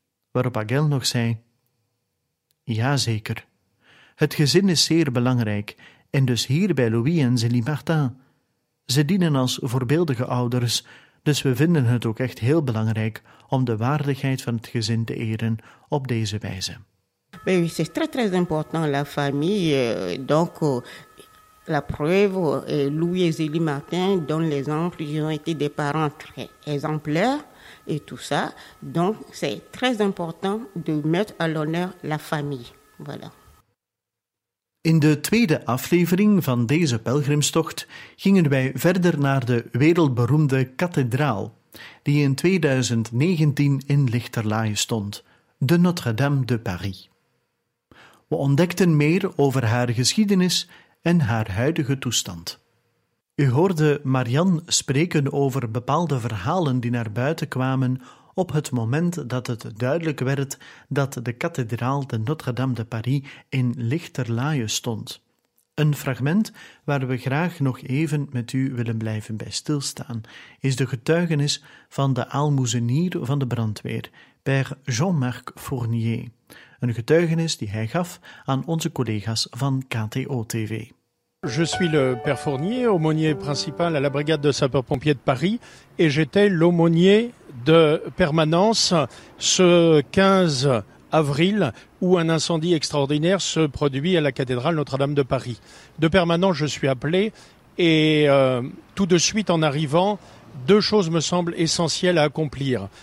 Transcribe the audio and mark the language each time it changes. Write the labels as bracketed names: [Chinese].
[Dutch] Waarop Agel nog zei, ja zeker, het gezin is zeer belangrijk. En dus hier bij Louis en Zélie Martin. Ze dienen als voorbeeldige ouders, dus we vinden het ook echt heel belangrijk om de waardigheid van het gezin te eren op deze wijze. [French] Oui, c'est très très important la famille. Donc La preuve est Louis et Zélie Martin, dont l'exemple, ils ont été des parents très exemplaires et tout ça. Donc, c'est très important de mettre à l'honneur la famille. Voilà. [Dutch] In de tweede aflevering van deze pelgrimstocht gingen wij verder naar de wereldberoemde kathedraal, die in 2019 in Lichterlaaie stond, de Notre-Dame de Paris. We ontdekten meer over haar geschiedenis en haar huidige toestand. U hoorde Marianne spreken over bepaalde verhalen die naar buiten kwamen op het moment dat het duidelijk werd dat de kathedraal de Notre-Dame de Paris in Lichterlaaie stond. Een fragment waar we graag nog even met u willen blijven bij stilstaan is de getuigenis van de aalmoezenier van de brandweer, Père Jean-Marc Fournier. Een getuigenis die hij gaf aan onze collega's van KTO-TV. [French] Je suis le Père Fournier, aumônier principal à la brigade de sapeurs-pompiers de Paris et j'étais l'aumônier de permanence ce 15 avril où un incendie extraordinaire se produit à la cathédrale Notre-Dame de Paris. De permanence, je suis appelé et tout de suite en arrivant, deux choses me semblent essentielles à accomplir.